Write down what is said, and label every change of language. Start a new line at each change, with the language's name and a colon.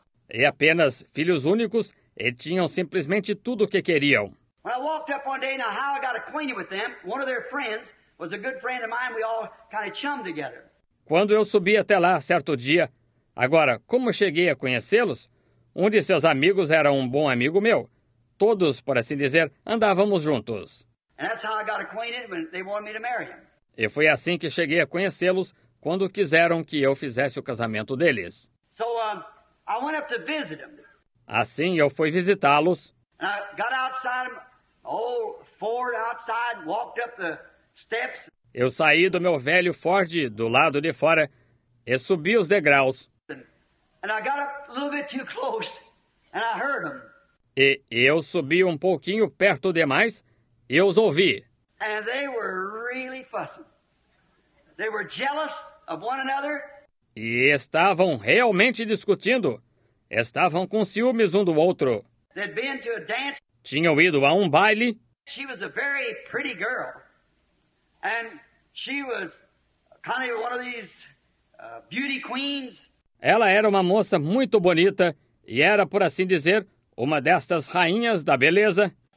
Portuguese: E apenas filhos únicos e tinham simplesmente tudo o que queriam.
English: When I walked up one day, now how I got acquainted with them, one of their friends was a good friend of mine, we all kind of chummed together.
Portuguese: Quando eu subi até lá, certo dia, agora, como cheguei a conhecê-los, um de seus amigos era um bom amigo meu. Todos, por assim dizer, andávamos juntos.
English: And that's how I got acquainted when they wanted me to marry him.
Portuguese: E foi assim que cheguei a conhecê-los quando quiseram que eu fizesse o casamento deles.
English: So, I went up to visit them.
Portuguese: Assim, eu fui visitá-los.
English: And I got outside, old Ford outside, walked up the steps.
Portuguese: Eu saí do meu velho Ford do lado de fora e subi os degraus.
English: And I got up a little bit too close, and I heard them.
Portuguese: E eu subi um pouquinho perto demais e os ouvi.
English: And they were really fussing. They were jealous of one another.
Portuguese: E estavam realmente discutindo. Estavam com ciúmes um do outro.
English: They'd been to a dance.
Portuguese: Tinham ido a um baile.
English: She was a very pretty girl. And she was kind of one of these beauty queens.
Portuguese: Ela era uma moça muito bonita e era, por assim dizer, uma destas rainhas da beleza.